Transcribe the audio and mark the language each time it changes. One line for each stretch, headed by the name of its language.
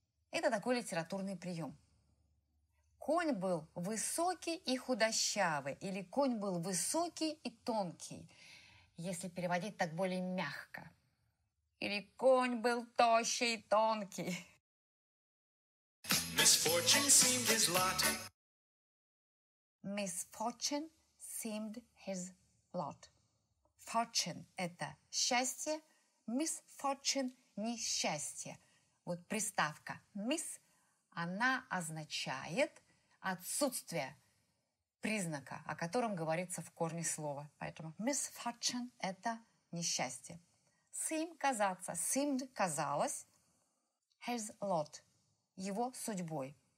Russian: Это такой литературный прием. Конь был высокий и худощавый, или конь был высокий и тонкий, если переводить так более мягко. Или конь был тощий и тонкий.
English: Misfortune seemed his lot. Misfortune seemed his lot.
Russian: Fortune – это счастье, misfortune – несчастье. Вот приставка miss, она означает отсутствие признака, о котором говорится в корне слова. Поэтому misfortune – это несчастье. Seem – казаться, seemed – казалось,
English: his lot
Russian: – его судьбой.